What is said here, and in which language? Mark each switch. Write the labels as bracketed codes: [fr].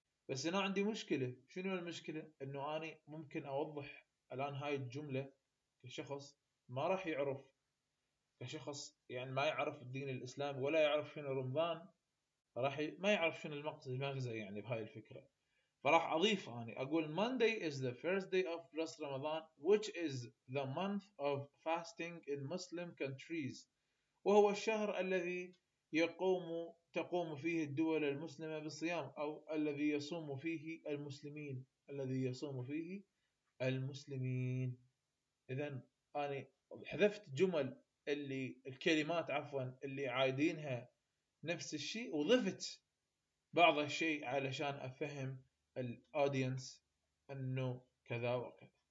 [ar] بس أنا عندي مشكلة، شنو المشكلة؟ أنه أنا ممكن أوضح الآن هاي الجملة كشخص ما راح يعرف، كشخص يعني ما يعرف الدين الإسلامي ولا يعرف شنو رمضان، راح ما يعرف شنو المقصد المغزى يعني بهاي الفكرة. فراح أضيف أني أقول [en] Monday is the first day of plus Ramadan which is the month of fasting in Muslim countries، [ar] وهو الشهر الذي تقوم فيه الدول المسلمة بالصيام، أو الذي يصوم فيه المسلمين، الذي يصوم فيه المسلمين. إذن أنا حذفت جمل اللي الكلمات عفوا اللي عايدينها نفس الشيء، وضفت بعض الشيء علشان أفهم الأودينس أنه كذا وكذا.